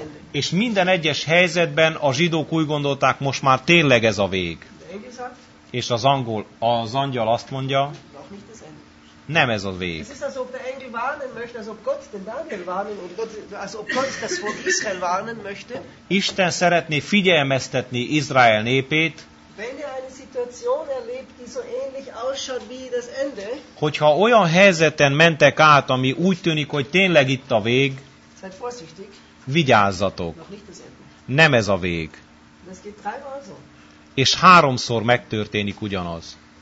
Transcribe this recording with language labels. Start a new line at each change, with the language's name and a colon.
Hungarian: És minden egyes helyzetben a zsidók úgy gondolták, most már tényleg ez a vég. És az angyal azt mondja, nem ez a vég.
German: Es ist, als ob der Engel warnen möchte, als ob Gott den Daniel warnen und Gott, als ob Gott das Volk Israel warnen möchte.
Hungarian: Isten szeretné figyelmeztetni Izrael népét.
German: Wenn ihr eine Situation erlebt, die so ähnlich ausschaut wie das Ende.
Hungarian: Hogyha olyan helyzeten mentek át, ami úgy tűnik, hogy tényleg itt a vég.
German: Seid vorsichtig.
Hungarian: Vigyázzatok.
German: Noch nicht das Ende.
Hungarian: Nem ez a vég.
German: Das geht dreimal so.
Hungarian: És háromszor megtörténik ugyanaz.